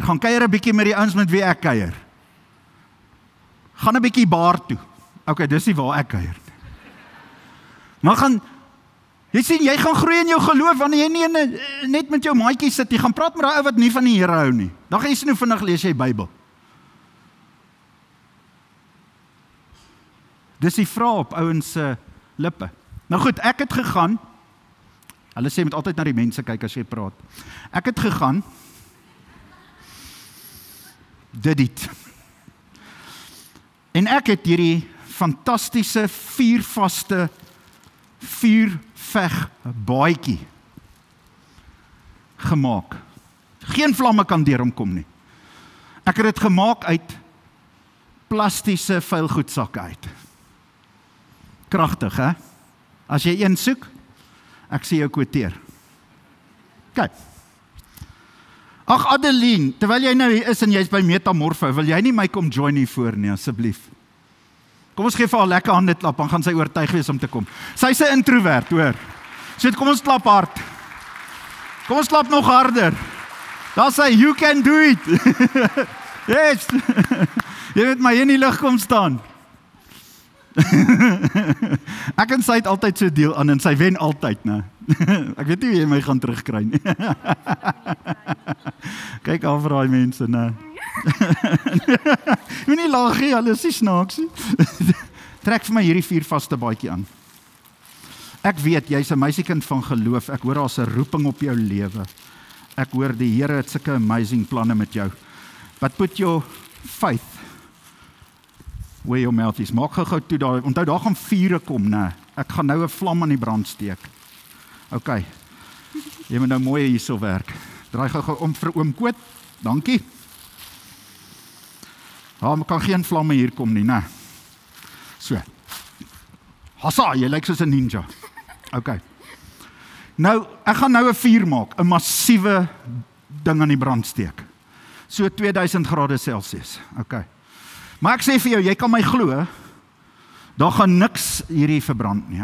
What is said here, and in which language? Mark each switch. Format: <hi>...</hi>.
<af>Gaan kuier 'n bietjie met die ouens met wie ek kuier. Gaan 'n bietjie baar toe. Ok, dis nie waar ek kuier. Maar gaan, jy sien, jy gaan groei in jou geloof, wanneer jy nie net met jou maatjie sit, jy gaan praat met die ou wat nie van die Here hou nie. Dan gaan jy sien hoe vinnig lees jy Bybel. Dis die vraag op ouens se lippe. Nou goed, ek het gegaan, Hulle sê, jy moet altyd na die mense kyk as jy praat. Ek het gegaan, dit. En ek het hierdie fantastiese viervaste vuurveg baadjie gemaak. Geen vlamme kan deur hom kom nie. Ek het dit gemaak uit plastiese vuilgoedsakke uit. Kragtig, hè? As jy een soek, ek sê jou kwoteer. Kyk. Ag Adeline, terwyl jy nou hier is en jy is by Metamorfe, wil jy nie my kom join hier voor nie, asseblief? Kom ons geef haar lekker hand dit klap, dan gaan sy oortuig wees om te kom. Sy is 'n introvert, hoor. So kom ons klap hard. Kom ons klap nog harder. Daar sê,</af> <en>you can do it. Yes.</en> <af>Jy moet my hier in die lig kom staan. Ek en sy het altyd so deel aan en sy wen altyd, ne. Ek weet nie hoe jy my gaan terugkry nie. Kyk af vir daai mense, ne. Moet nie lag nie, hulle is nie snaaks nie. Trek vir my hierdie vier vaste baadjie aan. Ek weet, jy is 'n meisiekind van geloof. Ek hoor daar's 'n roeping op jou lewe. Ek hoor die Here het sulke amazing planne met jou.</af> <en>But put your faith where your mouth is.</en> <af>Maak gou toe daar, onthou daar gaan vure kom, ne. Ek gaan nou 'n vlam aan die brand steek. OK. Jy moet nou mooi hierso werk. Draai gou om vir oom Koet. Dankie. Daar kan geen vlamme hier kom nie, ne. So. Hassa, jy lyk soos 'n ninja. OK. Nou, ek gaan nou 'n vuur maak, 'n massiewe ding aan die brand steek. So 2000 grade Celsius. OK. Maar ek sê vir jou, jy kan my glo, daar gaan niks hierdie verbrand nie.</af>